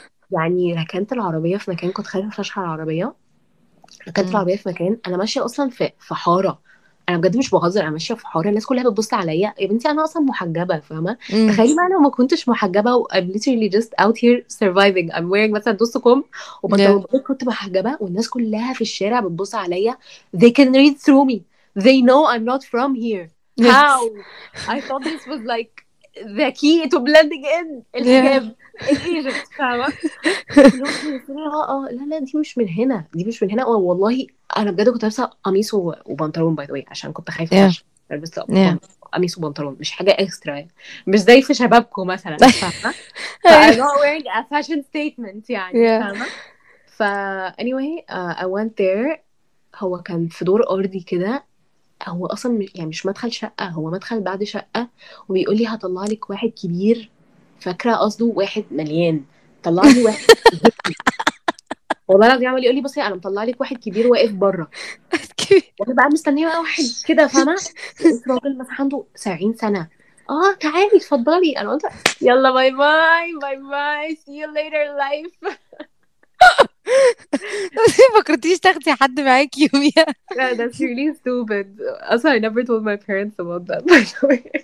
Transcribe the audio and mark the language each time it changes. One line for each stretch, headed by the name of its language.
Arabic: يعني ركنت العربية في مكان كنت خايفة فشخ على العربية ركنت العربية في مكان أنا ماشية أصلا في حارة أنا بجد مش بهزر أنا ماشية في حارة الناس كلها بتبص عليا يا بنتي أنا أصلا محجبة فاهمة تخيلي بقى لو ما كنتش محجبة و
English: I'm literally just out here surviving I'm wearing
Arabic: مثلا دوسكم وبطلبات كنت محجبة والناس كلها في الشارع بتبص عليا
English: they can read through me they know I'm not from here yes. how I thought this was like the key to blending in الحجاب yeah.
Arabic: ايه يا فاهمه لا لا دي مش من هنا دي مش من هنا والله انا بجد كنت لابسه قميص وبنطلون
English: by the way
Arabic: عشان كنت خايفه
English: yeah.
Arabic: لبست قميص وبنطلون، مش حاجة اكسترا، مش زي في شبابكم مثلا، فاهمة؟
English: I'm not wearing a fashion statement
Arabic: يعني، فاهمة؟ ف
English: anyway I went there.
Arabic: هو كان في دور أرضي كده، هو أصلا يعني مش مدخل شقة، هو مدخل بعد شقة، وبيقول لي هطلع لك واحد كبير، فاكرة قصده واحد مليان، طلع لي واحد والله العظيم، عمال يقول لي بصي أنا مطلع لك واحد كبير واقف بره، وأنا بقى مستنيه بقى واحد كده، فاهمة؟ لقيت راجل مثلا عنده 70 سنة، اه تعالي اتفضلي، أنا قلت يلا باي باي باي باي
English: see you later life.
Arabic: ما فكرتيش تاخدي حد معاكي يوميها؟
English: Yeah, that's really stupid. Also, I never told my parents about that, by the way.